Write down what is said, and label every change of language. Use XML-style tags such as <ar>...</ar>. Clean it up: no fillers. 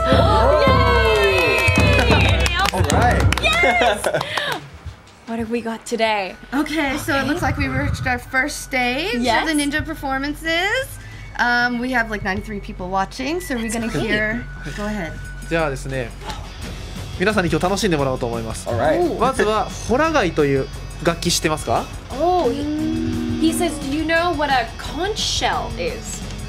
<en>Oh. Yay! All right. Yes! What have we got today? Okay, so it looks like we reached our first stage of the Ninja performances. We have like 93 people watching, so we're gonna hear. Go ahead.</en> <ja>じゃあですね、皆さんに今日楽しんでもらおうと思います。</ja> <en>All right.</en> <ja>まずはホラガイという 楽器知ってますか?</ja> <en>Oh, he says, do you know what a conch shell is?</en>